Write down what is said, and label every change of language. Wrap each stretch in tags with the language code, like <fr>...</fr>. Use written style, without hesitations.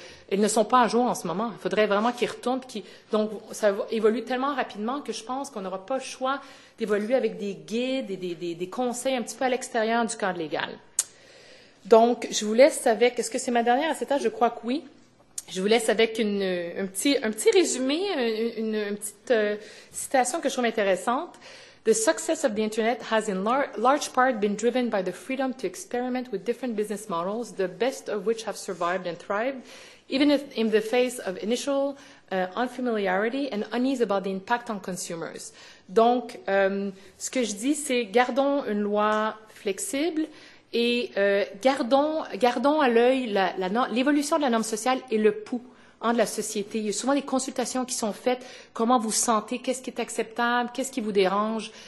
<fr>ils ne sont pas à jour en ce moment. Il faudrait vraiment qu'ils retournent. Donc, ça évolue tellement rapidement que je pense qu'on n'aura pas le choix d'évoluer avec des guides et des conseils un petit peu à l'extérieur du cadre légal. Donc, je vous laisse avec... Est-ce que c'est ma dernière ACETA? Je crois que oui. Je vous laisse avec un petit résumé, une petite citation que je trouve intéressante.</fr> <en>The success of the Internet has in large part been driven by the freedom to experiment with different business models, the best of which have survived and thrived, even if in the face of initial unfamiliarity and unease about the impact on consumers.</en> <fr>Donc, ce que je dis, c'est gardons une loi flexible et gardons à l'œil l'évolution de la norme sociale et le pouls de la société. Il y a souvent des consultations qui sont faites. Comment vous sentez? Qu'est-ce qui est acceptable? Qu'est-ce qui vous dérange?</fr>